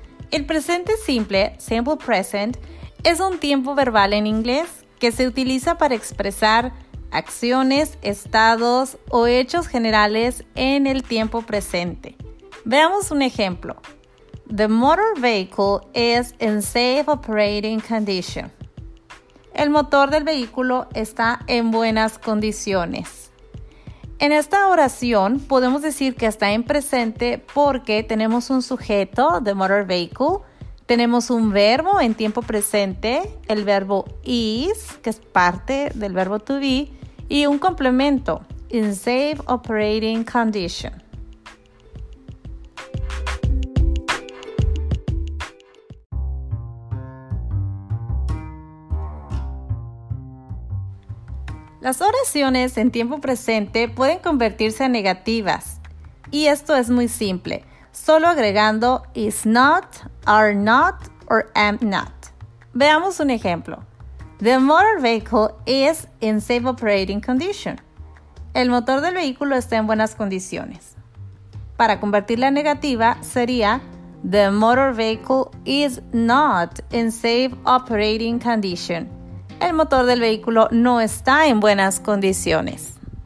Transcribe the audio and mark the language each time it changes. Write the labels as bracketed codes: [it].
[es] El presente simple, [en] simple present, [es] es un tiempo verbal en inglés que se utiliza para expresar acciones, estados o hechos generales en el tiempo presente. Veamos un ejemplo. [en] The motor vehicle is in safe operating condition. [es] El motor del vehículo está en buenas condiciones. En esta oración podemos decir que está en presente porque tenemos un sujeto, [en] the motor vehicle, [es] tenemos un verbo en tiempo presente, el verbo is, que es parte del verbo to be, y un complemento, [en] in safe operating condition. [es] Las oraciones en tiempo presente pueden convertirse en negativas. Y esto es muy simple, solo agregando [en] is not, are not, or am not. [es] Veamos un ejemplo. [en] The motor vehicle is in safe operating condition. [es] El motor del vehículo está en buenas condiciones. Para convertirla en negativa sería [en] the motor vehicle is not in safe operating condition. [es] El motor del vehículo no está en buenas condiciones.